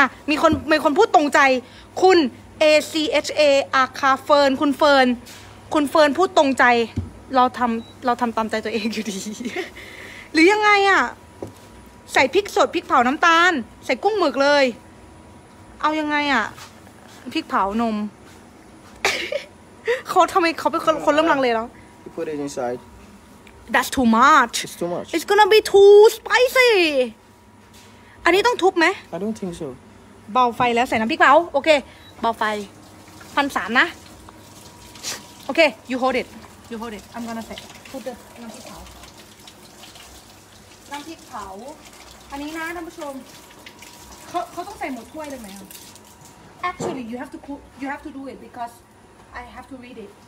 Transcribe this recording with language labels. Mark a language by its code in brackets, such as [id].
[th] มีคนพูดตรงใจคุณ A C H A อาคาเฟิร์นคุณเฟิร์นพูดตรงใจเราทำตามใจตัวเองอยู่ดีหรือยังไงอะใส่พริกสดพริกเผาน้ำตาลใส่กุ้งหมึกเลยเอายังไงอะพริกเผานม เขาทำไมเขาเป็นคน คนเริ่มลังเลแล้ ว [en] That's too much. It's too much. It's gonna be too spicy. [th] อันนี้ต้องทุบไหม [en] I don't think so. [th] เบาไฟแล้วใส่น้ำพริกเผาโอเคเบาไฟ 1,300 นะโอเค [en] You hold it. I'm gonna say. [th] Put the น้ำพริกเผาน้ำพริกเผาอันนี้นะท่านผู้ชมเขาต้องใส่หมดถ้วยเลยไหม [en] Actually you have to do it because I have to read it.